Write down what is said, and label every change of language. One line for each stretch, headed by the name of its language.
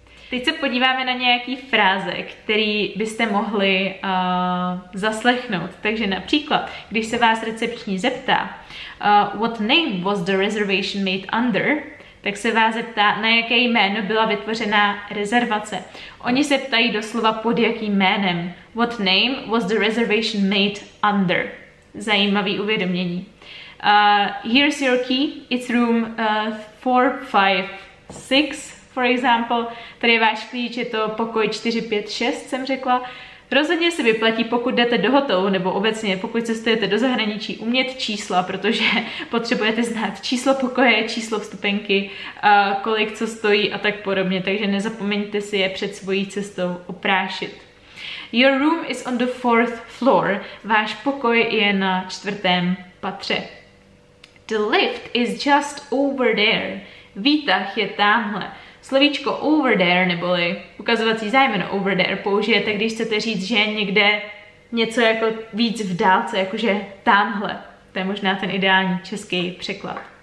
Czech: Teď se podíváme na nějaký fráze, který byste mohli zaslechnout. Takže například, když se vás recepční zeptá,
English: what name was the reservation made under,
Czech: tak se vás zeptá, na jaké jméno byla vytvořena rezervace. Oni se ptají doslova, pod jakým jménem.
English: What name was the reservation made under?
Czech: Zajímavý uvědomění.
English: Here's your key, it's room 456. For example,
Czech: tady je váš klíč, je to pokoj 456, jsem řekla. Rozhodně se vyplatí, pokud jdete do hotelu, nebo obecně, pokud cestujete do zahraničí, umět čísla, protože potřebujete znát číslo pokoje, číslo vstupenky, kolik co stojí a tak podobně. Takže nezapomeňte si je před svojí cestou oprášit.
English: Your room is on the fourth floor.
Czech: Váš pokoj je na čtvrtém patře.
English: The lift is just over there.
Czech: Výtah je tamhle. Slovíčko over there, neboli ukazovací zájmeno over there, použijete, když chcete říct, že je někde něco jako víc v dálce, jakože tamhle. To je možná ten ideální český překlad.